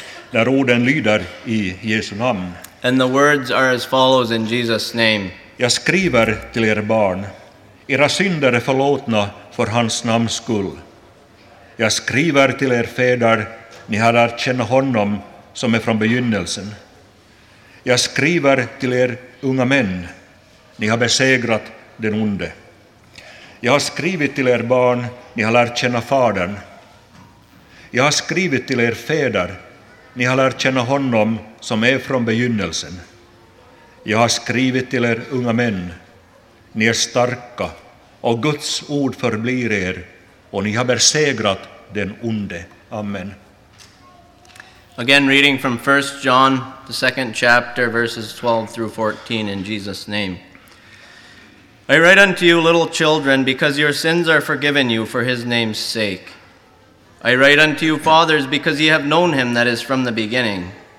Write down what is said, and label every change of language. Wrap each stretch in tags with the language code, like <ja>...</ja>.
<sv>Där orden lyder i Jesu namn.</sv> <en>And the words are as follows in Jesus' name.</en> <sv>Jag skriver till er barn. Era synder är förlåtna för hans namns skull. Jag skriver till er fäder. Ni har lärt känna honom som är från begynnelsen. Jag skriver till er unga män. Ni har besegrat den onde. Jag har skrivit till er barn. Ni har lärt känna fadern. Jag har skrivit till er fäder. Ni har lärt känna honom som är från begynnelsen. Jag har skrivit till er unga män. Ni är starka och Guds ord förblir er och ni har besegrat den onde. Amen.</sv> <en>Again reading from 1 John, the second chapter, verses 12 through 14 in Jesus' name. I write unto you, little children, because your sins are forgiven you for his name's sake. I write unto you, fathers, because ye have known him that is from the beginning.</en>